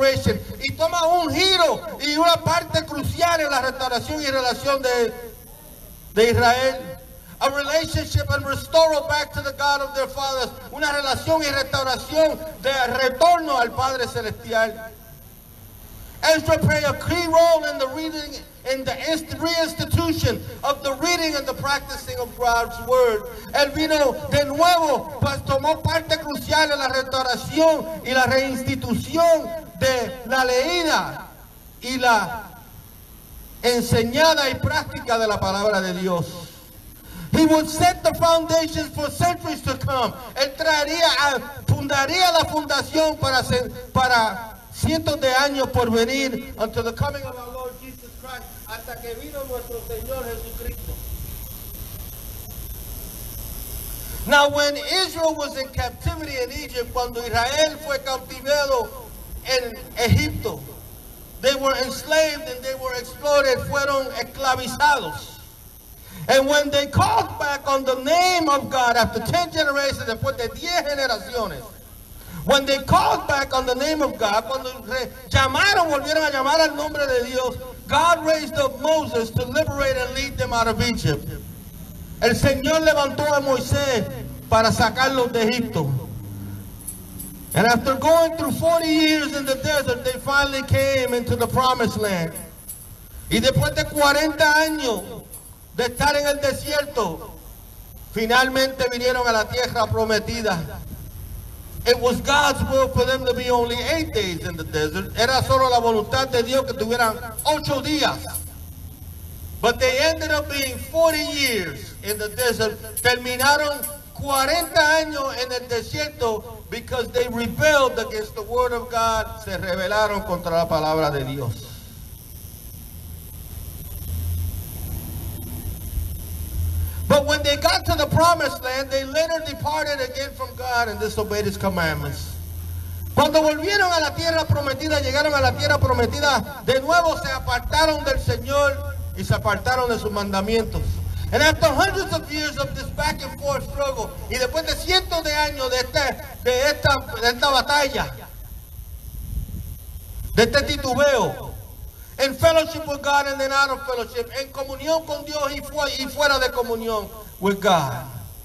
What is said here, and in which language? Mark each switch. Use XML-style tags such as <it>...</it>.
<es>restoration, y toma un giro y una parte crucial en la restauración y relación de Israel.</es> <en>A relationship and restoral back to the God of their fathers.</en> <es>Una relación y restauración de retorno al Padre Celestial.</es> <en>Ezra played a key role in the reading, in the reinstitution of the reading and the practicing of God's word.</en> <es>Él vino de nuevo, pues tomó parte crucial en la restauración y la reinstitución de la leída y la enseñada y práctica de la palabra de Dios.</es> <en>He would set the foundations for centuries to come.</en> <es>Él traería, fundaría la fundación para cientos de años por venir,</es> <en>until the coming of our Lord Jesus Christ,</en> <es>hasta que vino nuestro Señor Jesucristo.</es> <en>Now when Israel was in captivity in Egypt,</en> <es>cuando Israel fue cautivado en Egipto,</es> <en>they were enslaved and they were exploited,</en> <es>fueron esclavizados.</es> <en>And when they called back on the name of God after 10 generations,</en> <es>después de 10 generaciones,</es> <en>when they called back on the name of God,</en> <es>cuando llamaron, volvieron a llamar al nombre de Dios,</es> <en>God raised up Moses to liberate and lead them out of Egypt.</en> <es>El Señor levantó a Moisés para sacarlos de Egipto.</es> <en>And after going through 40 years in the desert, they finally came into the promised land.</en> <es>Y después de 40 años de estar en el desierto, finalmente vinieron a la tierra prometida.</es> <en>It was God's will for them to be only 8 days in the desert.</en> <es>Era solo la voluntad de Dios que tuvieran 8 días.</es> <en>But they ended up being 40 years in the desert.</en> <es>Terminaron 40 años en el desierto</es> <en>because they rebelled against the word of God.</en> <es>Se rebelaron contra la palabra de Dios.</es> <en>But when they got to the promised land, they later departed again from God and disobeyed his commandments.</en> <es>Cuando volvieron a la tierra prometida, llegaron a la tierra prometida, de nuevo se apartaron del Señor y se apartaron de sus mandamientos.</es> <en>And after hundreds of years of this back and forth struggle,</en> <es>y después de cientos de años de esta batalla, de este titubeo,</es> <en>in fellowship with God and then out of fellowship,</en> <es>en comunión con Dios y fuera de comunión</es> <en>with God.</en>